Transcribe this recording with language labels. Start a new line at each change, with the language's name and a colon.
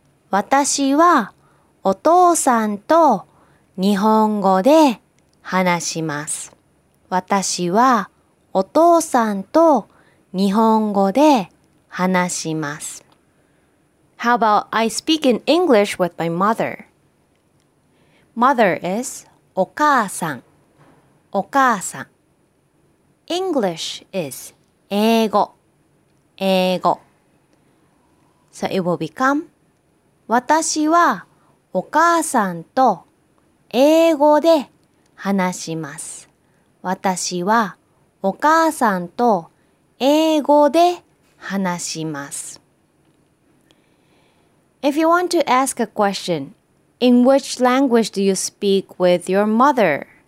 Japanese: 私はお父さんと日本語で話します。私はお父さんと日本語で話します。
English: How about I speak in English with my mother? Mother is
Japanese: お母さん、お母さん。
English: English is
Japanese: 英語、英語。
English: So it will become
Japanese: 私はお母さんと英語で話します。私はお母さんと英語で話します。
English: If you want to ask a question, in which language do you speak with your mother?